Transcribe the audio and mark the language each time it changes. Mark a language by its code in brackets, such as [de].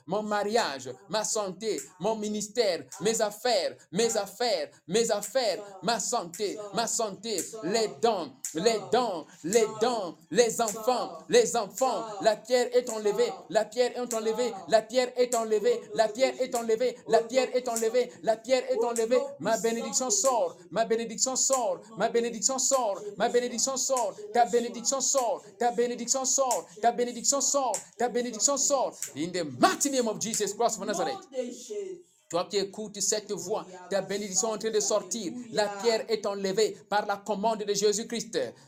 [fr] Mon mariage, ma santé, mon ministère, mes affaires, mes affaires, mes affaires, ma santé, les dents, les dents, les dents, les enfants, la pierre est enlevée, la pierre est enlevée, la pierre est enlevée, la pierre est enlevée, la pierre est enlevée, la pierre est enlevée, ma bénédiction sort, ma bénédiction sort, ma bénédiction sort, ma bénédiction sort, ta bénédiction sort, ta bénédiction sort, ta bénédiction sort. Ta bénédiction sort. [en] In the mighty name of Jesus Christ of Nazareth. [fr] Toi qui écoutes cette voix, ta bénédiction est en train de sortir. La pierre est enlevée par la commande de Jésus-Christ.